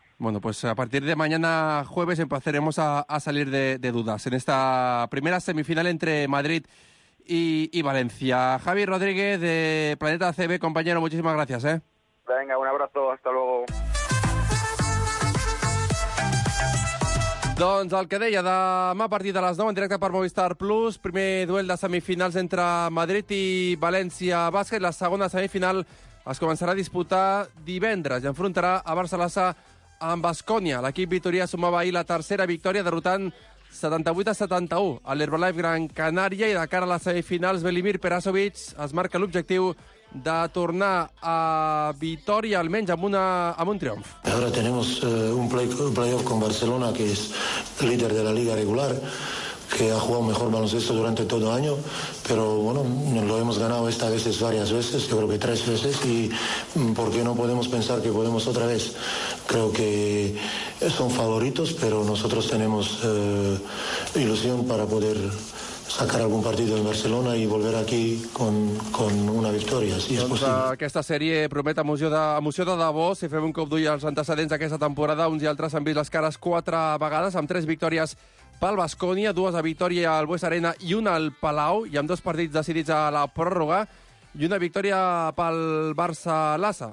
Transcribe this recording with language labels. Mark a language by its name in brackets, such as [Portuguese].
[Spanish] Bueno, pues a partir de mañana jueves empezaremos a salir de dudas en esta primera semifinal entre Madrid y Valencia. Javi Rodríguez de Planeta CB, compañero, muchísimas gracias, ¿eh? Venga, un abrazo, hasta luego. [Catalan] Doncs el que deia, demà a partir de les 9 en directe per Movistar Plus, primer duel de semifinals entre Madrid i València Bàsquet, la segona semifinal es començarà a disputar divendres i enfrontarà a Barcelona amb Baskonia. L'equip vitorià sumava ahir la tercera victòria derrotant 78-71 a l'Herbalife Gran Canària i de cara a les semifinals Velimir Perasovic es marca l'objectiu de tornar a Vitoria almenys amb un triomf. [Spanish] Ahora tenemos un playoff con Barcelona, que es líder de la liga regular, que ha jugado mejor baloncesto durante todo el año, pero bueno, lo hemos ganado esta vez varias veces, yo creo que 3 veces, y ¿por qué no podemos pensar que podemos otra vez? Creo que son favoritos, pero nosotros tenemos ilusión para poder sacar algún partido en Barcelona y volver aquí con una victoria, si [Catalan] doncs és possible. Aquesta sèrie promet emoció de debò. Si fem un cop d'ull als antecedents d'aquesta temporada, uns i altres han vist les cares 4 vegades, amb 3 victòries pel Baskonia, 2 a Vitoria al Buesa Arena i 1 al Palau, i amb 2 partits decidits a la pròrroga, i 1 victòria pel Barça-Lassa.